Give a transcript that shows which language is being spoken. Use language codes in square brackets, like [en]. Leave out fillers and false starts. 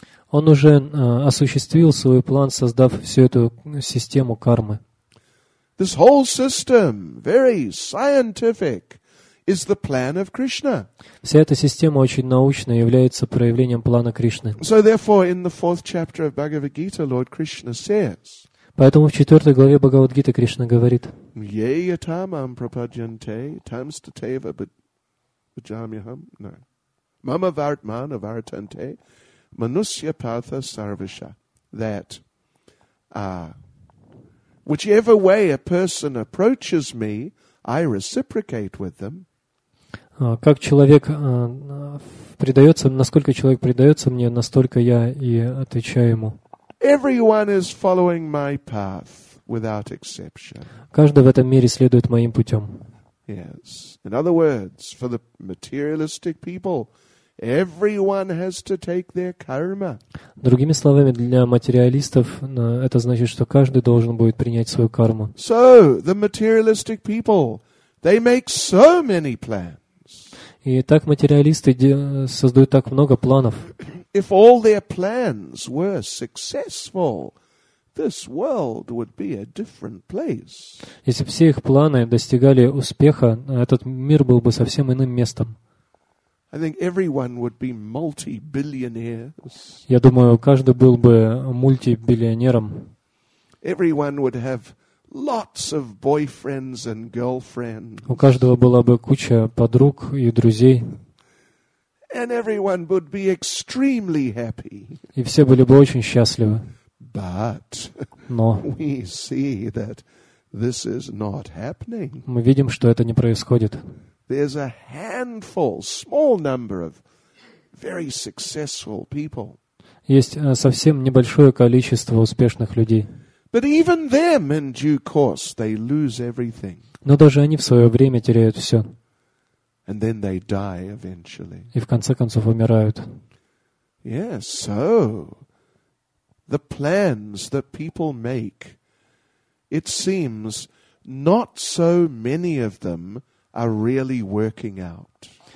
[ru] Он уже осуществил свой план, создав всю эту систему кармы. [en] This whole system, very scientific, is the plan of Krishna. [ru] Вся эта система очень научная, является проявлением плана Кришны. [en] So therefore, in the fourth chapter of Bhagavad Gita, Lord Krishna says. [ru] Поэтому в четвертой главе Бхагавад Гиты Кришна говорит. [sa] Yeyatamam prapadyante tamstateva bhajamyaham. No. Mama vartmana vartante manusya partha sarvasha. That. [en] Whichever way a person approaches me, I reciprocate with them. [ru] Как человек предается, насколько человек предается мне, настолько я и отвечаю ему. [en] Everyone is following my path without exception. [ru] Каждый в этом мире следует моим путем. [en] Yes. In other words, for the materialistic people, everyone has to take their karma. [ru] Другими словами, для материалистов это значит, что каждый должен будет принять свою карму. [en] So, the materialistic people, they make so many plans. [ru] И так материалисты создают так много планов. [en] If all their plans were successful, this world would be a different place. [ru] Если все их планы достигали успеха, этот мир был бы совсем иным местом. [en] I think everyone would be multi-billionaires. [ru] Я думаю, каждый был бы мультибиллионером. [en] Everyone would have lots of boyfriends and girlfriends. [ru] У каждого была бы куча подруг и друзей. [en] And everyone would be extremely happy. [ru] И все были бы очень счастливы. [en] But we see that this is not happening. [ru] Мы видим, что это не происходит. [en] There's a handful, small number of very successful people. [ru] Есть совсем небольшое количество успешных людей. [en] But even them, in due course, they lose everything. [ru] Но даже они в свое время теряют все. [en] And then they die eventually. [ru] И в конце концов умирают. [en] Yes, so the plans that people make, it seems not so many of them are really working out.